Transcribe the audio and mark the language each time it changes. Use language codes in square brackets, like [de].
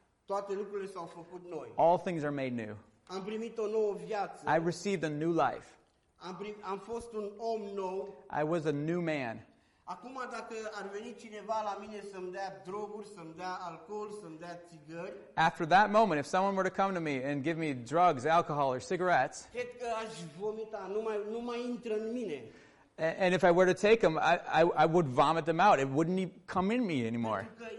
[ro] Toate lucrurile s-au făcut noi. [en] All things are made new. [ro] Am primit o nouă viață. [en] I received a new life. [ro] Am fost un om nou. [en] I was a new man. [ro] Acum dacă ar veni cineva la mine să-mi dea droguri, să-mi dea alcool, să-mi dea țigări. [en] After that moment, if someone were to come to me and give me drugs, alcohol or cigarettes. [ro] Cred că aș vomita, nu mai intră în mine. [en] And if I were to take them, I would vomit them out. It wouldn't come in me anymore.